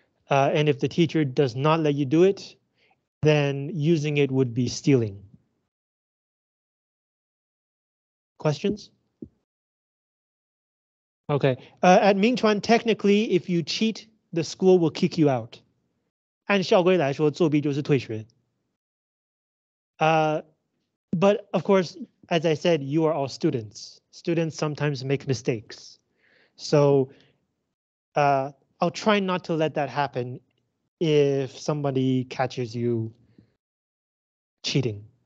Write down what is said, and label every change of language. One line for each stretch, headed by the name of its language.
English: And if the teacher does not let you do it, then using it would be stealing. Questions? Okay. At Mingchuan, technically, if you cheat, the school will kick you out.
Chinese: 按校规来说，作弊就是退学。
English: But of course, as I said, you are all students. Students sometimes make mistakes. So I'll try not to let that happen if somebody catches you cheating.